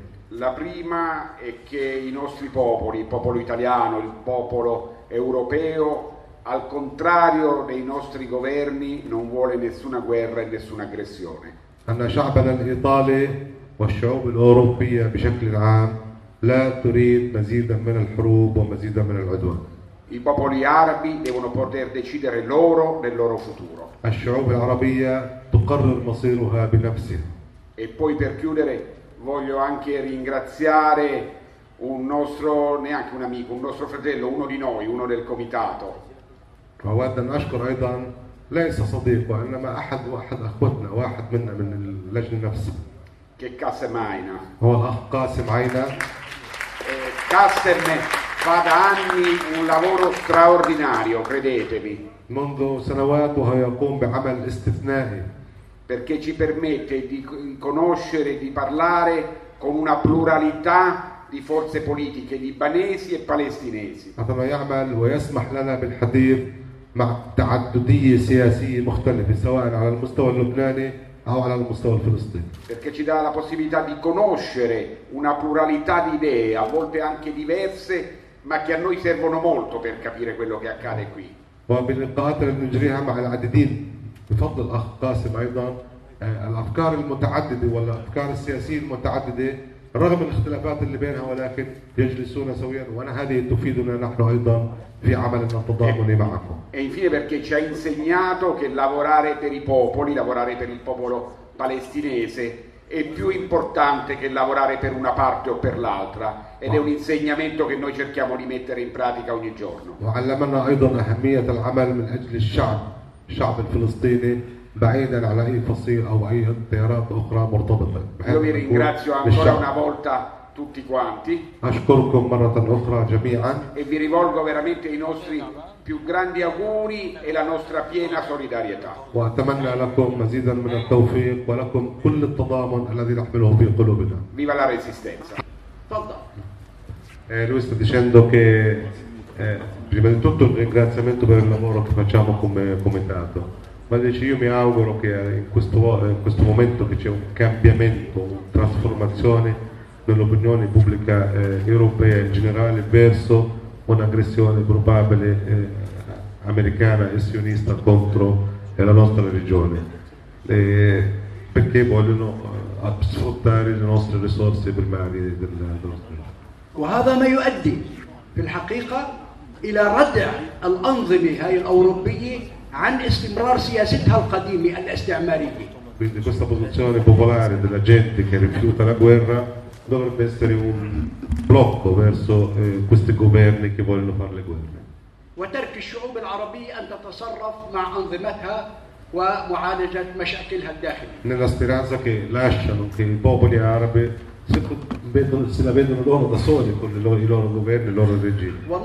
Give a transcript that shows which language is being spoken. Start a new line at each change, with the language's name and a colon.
Italian: La prima è che i nostri popoli, il popolo italiano, il popolo europeo, al contrario dei nostri governi, non vuole nessuna guerra e nessuna aggressione.
Arabic: أن شعبنا الإيطالي والشعوب الأوروبية بشكل عام لا تريد مزيدا من الحروب ومزيدا من العدوان.
Italian: I popoli arabi devono poter decidere loro del loro futuro.
Arabic: الشعوب العربية تقرر مصيرها بنفسها.
Italian: E poi per chiudere voglio anche ringraziare un nostro, neanche un amico, un nostro fratello, uno di noi, uno del comitato.
Arabic: أود أن أشكر أيضا ليس صديق وإنما أحد واحد أخوتنا واحد منا من اللجنة نفسها.
Italian: Che Kassem Aina.
Arabic: هو الأخ قاسم عينا.
Italian: Kassem fa da anni un lavoro straordinario, credetemi.
Arabic: منذ سنوات وهو يقوم بعمل استثنائي.
Italian: Perché ci permette di conoscere, di parlare con una pluralità di forze politiche libanesi e palestinesi.
Arabic: فما يعمل ويسمح لنا بالحديث مع تعددية سياسية مختلفة سواء على المستوى اللبناني أو على المستوى الفلسطيني.
Italian: Perché ci dà la possibilità di conoscere una pluralità di idee, a volte anche diverse, ma che a noi servono molto per capire quello che accade qui.
Arabic: وباللقاءات اللي نجريها مع العديدين. بفضل الأخ قاسم أيضا الأفكار المتعددة والأفكار السياسية المتعددة رغم الاختلافات اللي بينها ولكن يجلسون سويا وأنا هذه تفيدنا نحن أيضا في عملنا التضامني معكم.
Italian: E infine perché ci ha insegnato che lavorare per i popoli, lavorare per il popolo palestinese è più importante che lavorare per una parte o per l'altra ed è un insegnamento che noi cerchiamo di mettere in pratica ogni giorno.
Arabic: وعلمنا أيضا أهمية العمل من أجل الشعب. الشعب الفلسطيني بعيدا على اي فصيل او اي تيارات اخرى مرتبطه بحيث
Italian: ringrazio ancora una volta tutti quanti.
Arabic: اشكركم مره اخرى جميعا
Italian: e vi rivolgo veramente i nostri più grandi auguri e la nostra piena solidarietà.
Arabic: واتمنى لكم مزيدا من التوفيق ولكم كل التضامن الذي نحمله في قلوبنا.
Italian: Viva la resistenza. Tutto. Lui sta dicendo che prima di tutto un ringraziamento per il lavoro che facciamo come comitato, ma dice io mi auguro che in questo momento che c'è un cambiamento, una trasformazione nell'opinione pubblica europea in generale verso un'aggressione probabile americana e sionista contro la nostra regione, perché vogliono sfruttare le nostre risorse primarie del nostro paese.
Arabic: إلى ردع الأنظمة هاي الأوروبية عن استمرار سياستها القديمة الاستعمارية.
Italian: Quindi questa posizione popolare della gente che rifiuta la guerra dovrebbe essere un blocco verso questi governi che vogliono fare le guerre.
Arabic: وترك الشعوب العربية أن تتصرف مع أنظمتها ومعالجة مشاكلها الداخلية.
Italian: Nella speranza che lasciano che i popoli arabi se la vedono loro da soli con i loro governi, i loro regimi.